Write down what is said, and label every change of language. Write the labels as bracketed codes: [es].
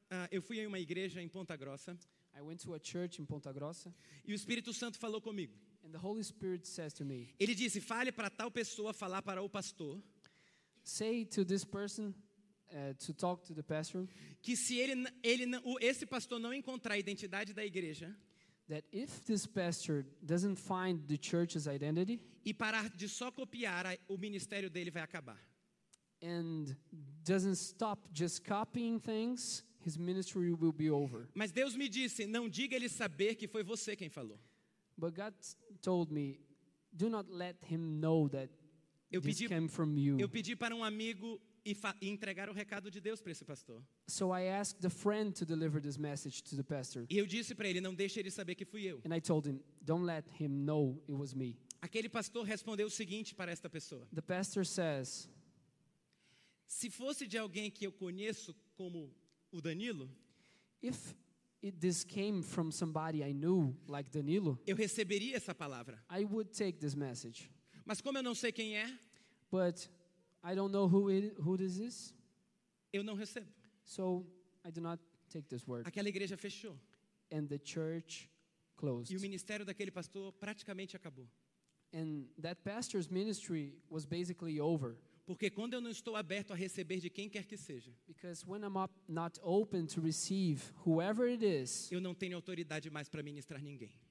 [pt] eu fui em uma igreja em Ponta Grossa. [en] I went to a church in Ponta Grossa. [pt] E o Espírito Santo falou comigo. [en] And the Holy Spirit says to me. [pt] Ele disse: "Fale para tal pessoa falar para o pastor." [en] Say to this person to talk to the pastor. [pt] Que se esse pastor não encontrar a identidade da igreja, [en] that if this pastor doesn't find the church's identity, [pt] e parar de só copiar, o ministério dele vai acabar. [en] And doesn't stop just copying things, his ministry will be over. [pt] Mas Deus me disse, não diga ele saber que foi você quem falou. [en] But God told me, do not let him know that this came from you. [pt] Eu pedi para um amigo e entregar o recado de Deus para esse pastor. [en] So I asked a friend to deliver this message to the pastor. [pt] E eu disse para ele, não deixe ele saber que fui eu. [en] And I told him, don't let him know it was me. [pt] Aquele pastor respondeu o seguinte para esta pessoa. [en] The pastor says, [pt] se fosse de alguém que eu conheço como o Danilo, [en] if this came from somebody I knew, like Danilo, [pt] eu receberia essa palavra. [en] I would take this message. [pt] Mas como eu não sei quem é, [en] but I don't know who this is, [pt] eu não recebo. [en] So I do not take this word. [pt] Aquela igreja fechou. [en] And the church closed. [pt] E o ministério daquele pastor praticamente acabou. [en] And that pastor's ministry was basically over. [pt] Porque quando eu não estou aberto a receber de quem quer que seja, [en] because when I'm not open to receive whoever it is, [pt] eu não tenho autoridade mais para ministrar ninguém.